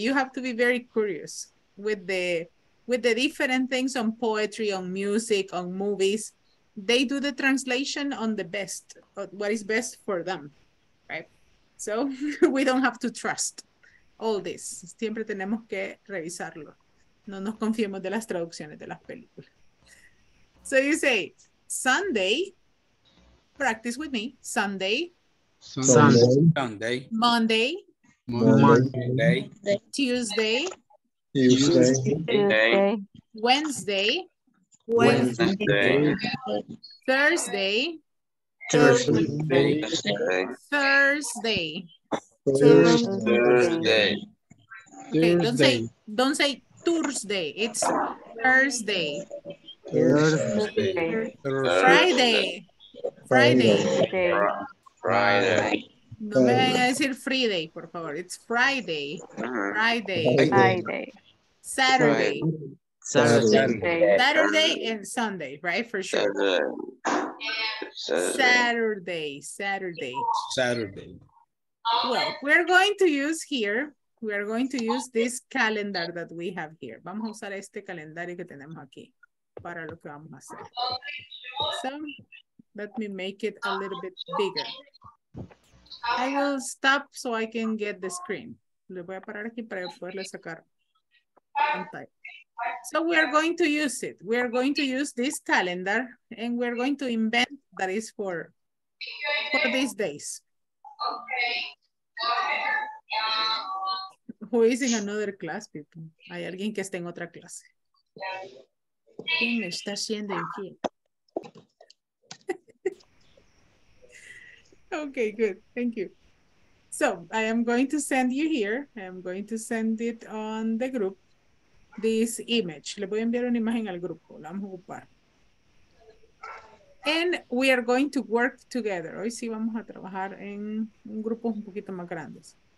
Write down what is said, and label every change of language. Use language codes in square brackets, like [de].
[en] You have to be very curious with the different things on poetry, on music, on movies. They do the translation on the best, what is best for them, right? So we don't have to trust all this. [es] Siempre tenemos que revisarlo. No nos confiemos de las traducciones de las películas. [en] So you say, Sunday, practice with me, Sunday. Sunday. Sunday. Monday. Monday. Tuesday. Tuesday. Wednesday. Wednesday. Thursday. Thursday. Thursday. Thursday. Okay, don't say Thursday. It's Thursday. Thursday. Friday. Friday. Friday. [es] No me vayan a decir Friday, por favor. [en] It's Friday. Friday. Friday. Saturday. Saturday. Saturday and Sunday, right? For sure. Saturday. Saturday. Saturday. Saturday. Well, we're going to use here, we are going to use this calendar that we have here. [es] Vamos a usar este calendario que tenemos aquí para lo que vamos a hacer. [en] So, let me make it a little bit bigger. I will stop so I can get the screen. [es] Le voy a parar aquí para poderle sacar pantalla. [en] So we are going to use it. We are going to use this calendar and we're going to invent that is for these days. Okay. Who is in another class, people? [es] Hay alguien que está en otra clase. ¿Quién está haciendo aquí? [en] Okay, good. Thank you. So I am going to send you here. I am going to send it on the group. This image. [es] Le voy a enviar una imagen al grupo. La vamos a ocupar. [en] And we are going to work together. [es] Hoy sí vamos a trabajar en un grupo un poquito más grandes.